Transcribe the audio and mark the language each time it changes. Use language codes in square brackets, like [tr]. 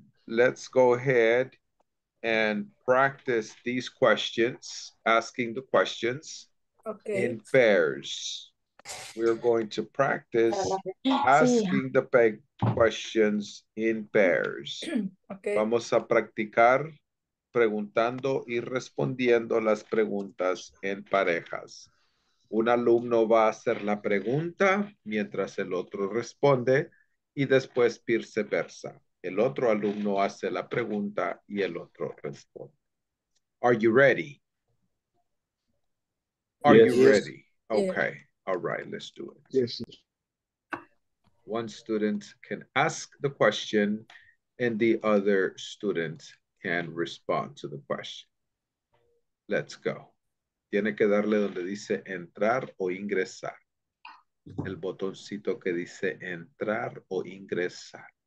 [en] Let's go ahead and practice these questions, asking the questions in pairs. We're going to practice asking the big questions in pairs. Okay. [es] Vamos a practicar preguntando y respondiendo las preguntas en parejas. Un alumno va a hacer la pregunta mientras el otro responde y después viceversa. El otro alumno hace la pregunta y el otro responde. [en] Are you ready? Are you ready? Okay. All right, let's do it. Yes. One student can ask the question and the other student can respond to the question. Let's go. [es] Tiene que darle donde dice entrar o ingresar. El botoncito que dice entrar o ingresar.